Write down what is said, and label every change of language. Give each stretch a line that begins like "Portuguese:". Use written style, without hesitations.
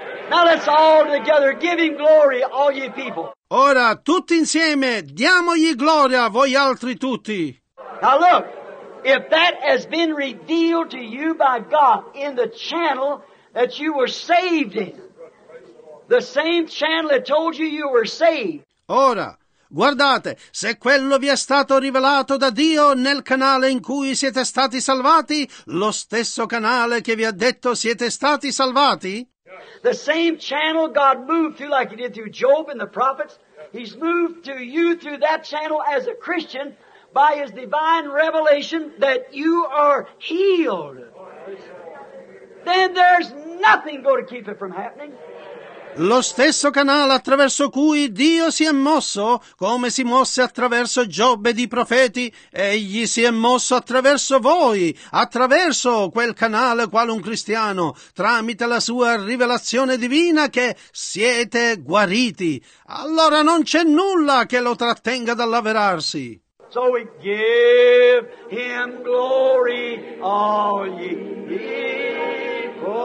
English: Now let's all together give him glory, all ye people.
Italian: Ora, tutti insieme, diamogli gloria, voi altri tutti.
English: Now look, if that has been revealed to you by God in the channel that you were saved in, the same channel that told you you were saved.
Italian: Ora, guardate, se quello vi è stato rivelato da Dio nel canale in cui siete stati salvati, lo stesso canale che vi ha detto siete stati salvati.
English: The same channel God moved through like he did through Job and the prophets. He's moved to you through that channel as a Christian by his divine revelation that you are healed. Then there's nothing going to keep it from happening.
Italian: Lo stesso canale attraverso cui Dio si è mosso, come si mosse attraverso Giobbe di profeti, egli si è mosso attraverso voi, attraverso quel canale quale un cristiano, tramite la sua rivelazione divina che siete guariti. Allora non c'è nulla che lo trattenga dall'avverarsi.
English: So we give him glory, all ye people.